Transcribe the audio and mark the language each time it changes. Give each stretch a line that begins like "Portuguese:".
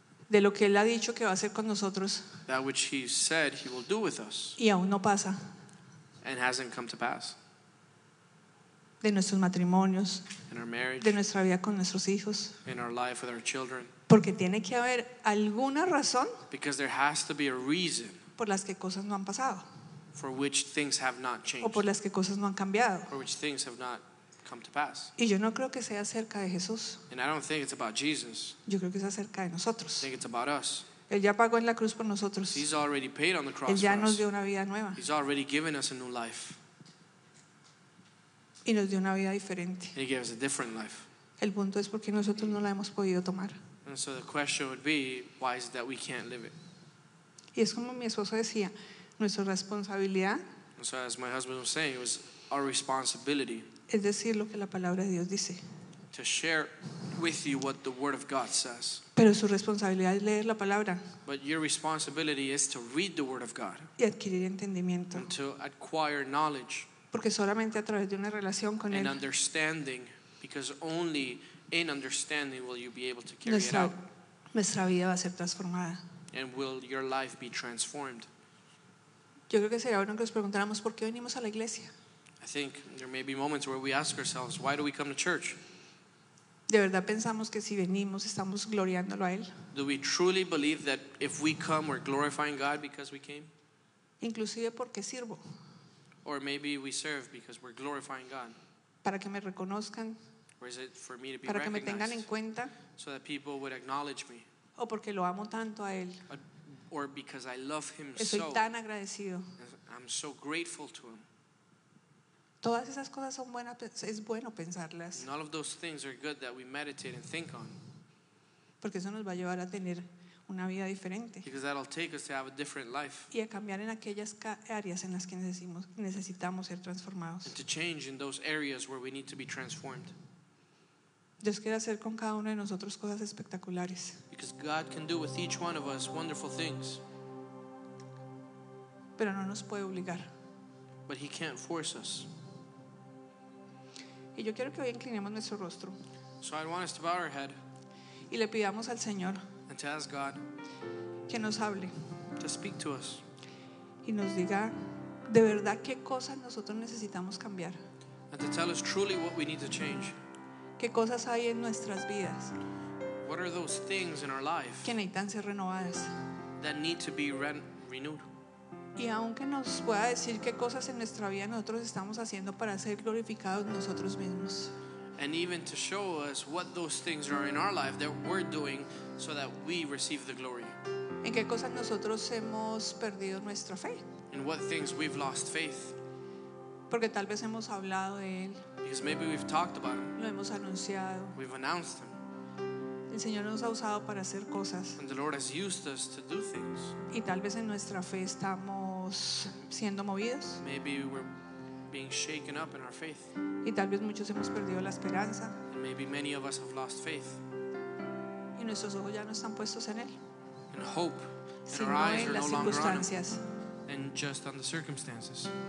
Spanish: De lo que él ha dicho que va a hacer con nosotros.
English: That which he said he will do with us.
Spanish: Y aún no pasa.
English: And hasn't come to pass.
Spanish: De nuestros matrimonios.
English: In our marriage.
Spanish: De nuestra vida con nuestros hijos.
English: In our life with our children.
Spanish: Porque tiene que haber alguna razón.
English: Because there has to be a reason.
Spanish: Por las que cosas no han pasado.
English: For which things have not changed.
Spanish: O por las que cosas no han cambiado.
English: For which things have not come to pass.
Spanish: Y yo no creo que sea acerca de Jesús.
English: And I don't think it's about Jesus.
Spanish: Yo creo que es acerca de nosotros.
English: I think it's about us.
Spanish: Él ya pagó en la cruz por nosotros.
English: He's already paid on the cross.
Spanish: Él ya nos dio una vida nueva.
English: He's already given us a new life.
Spanish: Y nos dio una vida diferente.
English: And he gave us a different life.
Spanish: El punto es porque nosotros no la hemos podido tomar.
English: And so the question would be, why is it that we can't live it?
Spanish: Y es como mi esposo decía, nuestra responsabilidad.
English: And so as my husband was saying, it was our responsibility.
Spanish: Es decir lo que la palabra de Dios dice.
English: To share with you what the word of God says.
Spanish: Pero su responsabilidad es leer la palabra.
English: But your responsibility is to read the word of God.
Spanish: Y adquirir entendimiento.
English: And to acquire knowledge.
Spanish: Porque solamente a través de una relación con
English: and And understanding, because only in understanding will you be able to carry it out.
Spanish: Nuestra vida va a ser transformada.
English: And will your life be transformed?
Spanish: Yo creo que sería bueno que nos preguntáramos por qué venimos a la iglesia.
English: I think there may be moments where we ask ourselves, why do we come to church?
Spanish: De verdad pensamos que si venimos estamos gloriándolo a él.
English: Do we truly believe that if we come we're glorifying God because we came?
Spanish: Inclusive porque sirvo.
English: Or maybe we serve because we're glorifying God.
Spanish: Para que me reconozcan.
English: Or is it for me to be
Spanish: para
English: recognized,
Spanish: que me tengan en cuenta,
English: so that people would acknowledge me,
Spanish: o porque lo amo tanto a él.
English: Or because I love him
Spanish: estoy
English: so,
Spanish: tan agradecido.
English: I'm so grateful to him.
Spanish: Todas esas cosas son buenas, es bueno pensarlas.
English: And all of those things are good that we meditate and think on,
Spanish: porque eso nos va a llevar a tener una vida diferente.
English: Because that'll take us to have a different life.
Spanish: Y a cambiar en aquellas áreas en las que necesitamos ser transformados.
English: And to change in those areas where we need to be transformed.
Spanish: Dios quiere hacer con cada uno de nosotros cosas espectaculares.
English: Because God can do with each one of us wonderful things.
Spanish: Pero no nos puede obligar.
English: But he can't force us.
Spanish: Y yo quiero que hoy inclinemos nuestro rostro.
English: So I want us to bow our head.
Spanish: Y le pidamos al Señor.
English: And to ask God.
Spanish: Que nos hable.
English: To speak to us.
Spanish: Y nos diga de verdad qué cosas nosotros necesitamos cambiar.
English: And to tell us truly what we need to change.
Spanish: Qué cosas hay en nuestras vidas.
English: What are those things in our life.
Spanish: Que necesitan ser renovadas.
English: That need to be renewed.
Spanish: Y aunque nos pueda decir qué cosas en nuestra vida nosotros estamos haciendo para ser glorificados nosotros mismos.
English: And even to show us what those things are in our life that we're doing so that we receive the glory.
Spanish: ¿En qué cosas nosotros hemos perdido nuestra fe?
English: In what things we've lost faith.
Spanish: Porque tal vez hemos hablado de él.
English: Because maybe we've talked about him.
Spanish: Lo hemos anunciado.
English: We've announced him.
Spanish: El Señor nos ha usado para hacer cosas.
English: And the Lord has used us to do things.
Spanish: Y tal vez en nuestra fe estamos siendo movidos.
English: Maybe we're being shaken up in our faith.
Spanish: Y tal vez muchos hemos perdido la esperanza.
English: And maybe many of us have lost faith.
Spanish: Y nuestros ojos ya no están puestos en él.
English: And hope.
Spanish: Sino en las circunstancias.
English: And just on the circumstances.